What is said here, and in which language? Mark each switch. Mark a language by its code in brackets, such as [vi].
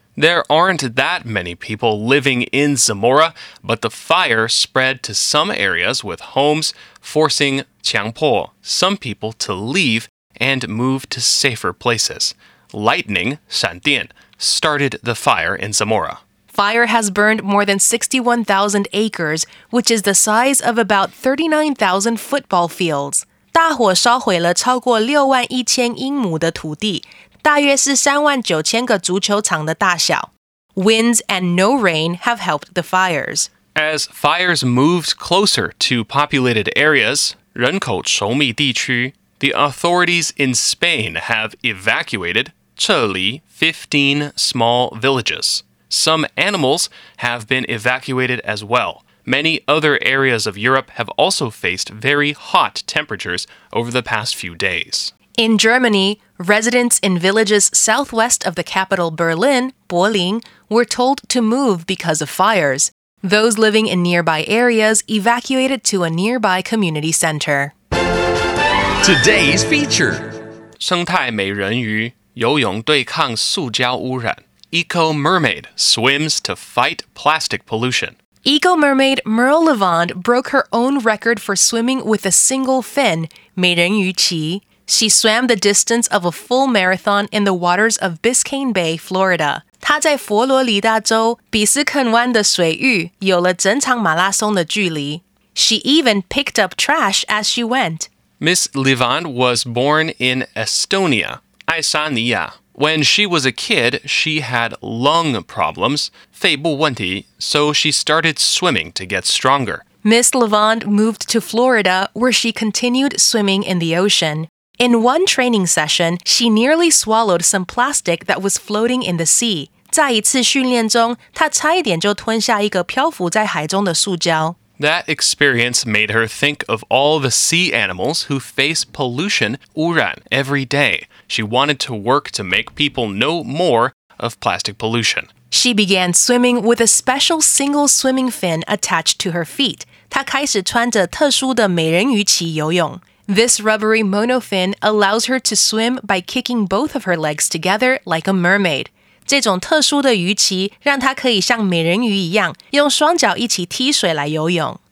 [en] There aren't that many people living in Zamora, but the fire spread to some areas with homes, forcing [zh] 强迫 [en] some people to leave and move to safer places. Lightning, [zh] 闪电, [en] started the fire in Zamora. Fire has burned more than 61,000 acres, which is the size of about 39,000 football fields. [zh] 大火烧毁了超过六万一千英亩的土地，大约是三万九千个足球场的大小。 [en] Winds and no rain have helped the fires. As fires moved closer to populated areas, [zh] 人口稠密地区, [en] the authorities in Spain have evacuated, [zh] 撤离, [en] 15 small villages. Some animals have been evacuated as well. Many other areas of Europe have also faced very hot temperatures over the past few days. In Germany, residents in villages southwest of the capital Berlin, Berlin, were told to move because of fires. Those living in nearby areas evacuated to a nearby community center. Today's feature. [zh] 生态美人鱼游泳对抗塑胶污染。 [en] Eco-Mermaid swims to fight plastic pollution. Eco-mermaid Merle Liivand broke her own record for swimming with a single fin, [zh] 美人鱼鳍. [en] She swam the distance of a full marathon in the waters of Biscayne Bay, Florida. [zh] 它在佛罗里达州比斯肯湾的水域有了整场马拉松的距离。 [en] She even picked up trash as she went. Miss Liivand was born in Estonia, [zh] 爱沙尼亚。 [en] When she was a kid, she had lung problems, [zh] 肺部问题, [en] so she started swimming to get stronger. Miss Liivand moved to Florida, where she continued swimming in the ocean. In one training session, she nearly swallowed some plastic that was floating in the sea. [zh] 在一次训练中,她差一点就吞下一个漂浮在海中的塑胶。 [en] That experience made her think of all the sea animals who face pollution, [zh] 污染, [en] every day. She wanted to work to make people know more of plastic pollution. She began swimming with a special single swimming fin attached to her feet. [zh] 她开始穿着特殊的美人鱼鳍游泳。 [en] This rubbery monofin allows her to swim by kicking both of her legs together like a mermaid. [zh] 这种特殊的鱼鳍让她可以像美人鱼一样用双脚一起踢水来游泳。